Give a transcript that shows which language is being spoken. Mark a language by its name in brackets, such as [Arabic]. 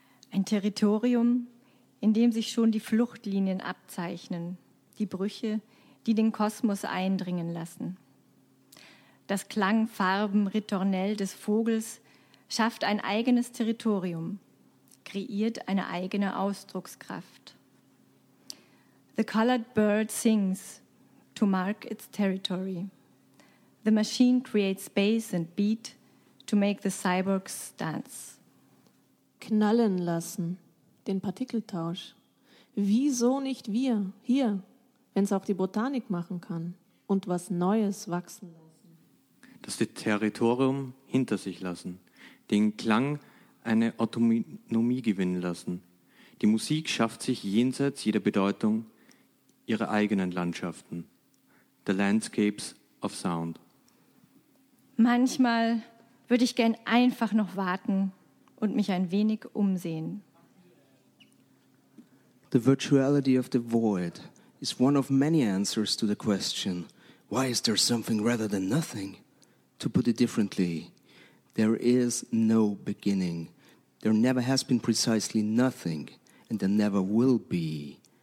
[German] Ein Territorium, in dem sich schon die Fluchtlinien abzeichnen, die Brüche, die den Kosmos eindringen lassen. Das Klangfarbenritornell des Vogels schafft ein eigenes Territorium, kreiert eine eigene Ausdruckskraft. [English] The colored bird sings to mark its territory. The machine creates space and beat to make the cyborgs dance. [German] Knallen lassen, den Partikeltausch. Wieso nicht wir hier? Wenn es auch die Botanik machen kann und was Neues wachsen lassen. Das Territorium hinter sich lassen, den Klang eine Autonomie gewinnen lassen. Die Musik schafft sich jenseits jeder Bedeutung ihre eigenen Landschaften. [English] The Landscapes of Sound. [German] Manchmal würde ich gern einfach noch warten und mich ein wenig umsehen. [English] The Virtuality of the Void. It's one of many answers to the question, why is there something rather than nothing? To put it differently, there is no beginning. There never has been precisely nothing, and there never will be.